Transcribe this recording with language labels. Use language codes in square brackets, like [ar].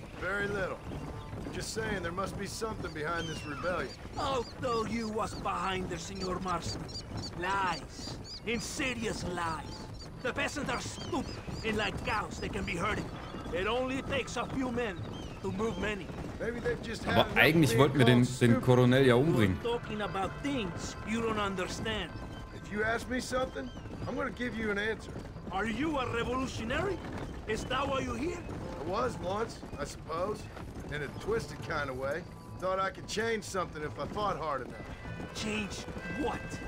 [en] Very little. I'm just saying there must be something behind this rebellion. I'll tell you what's behind there, Senor Marston. Lies. Insidious lies. The peasants are stupid and like cows they can be herded. It only takes a few men to move many. Maybe they've just had. [de] Aber eigentlich wollten wir den Coronel ja umbringen. [en] You're talking about things you don't understand. If you ask me something, I'm gonna give you an answer. Are you a revolutionary? Is that why you're here? I was once, I suppose. In a twisted kind of way. Thought I could change something if I fought hard enough. Change what?